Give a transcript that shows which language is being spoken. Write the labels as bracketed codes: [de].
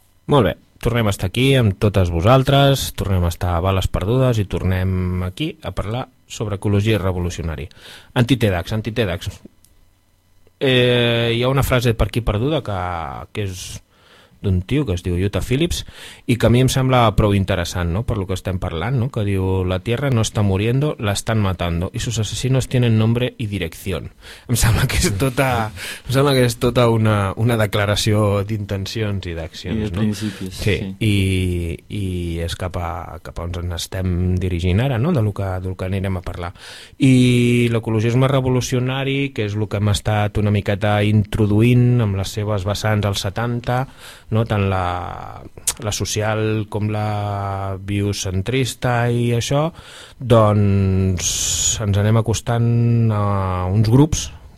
[ca] Molt bé, tornem a estar aquí amb totes vosaltres, tornem a estar a Bales Perdudes i tornem aquí a parlar sobre ecologia revolucionària. Antitèdax. Hi ha una frase per aquí perduda que és d'un tio que es diu Utah Phillips i que a mi em sembla prou interessant, no?, per lo que estem parlant, no?, que diu: [es] la Tierra no está muriendo, la están matando y sus asesinos tienen nombre y dirección. [ca] Em sembla que és tota, em sembla que és tota una declaració d'intencions i d'accions, no? Sí, sí. I és cap a on ens estem dirigint ara, no?, del que anirem a parlar. I l'ecologisme revolucionari, que és el que hem estat una miqueta introduint amb les seves vessants als 70, no?, tant la social com la biocentrista i això, doncs ens anem acostant a uns grups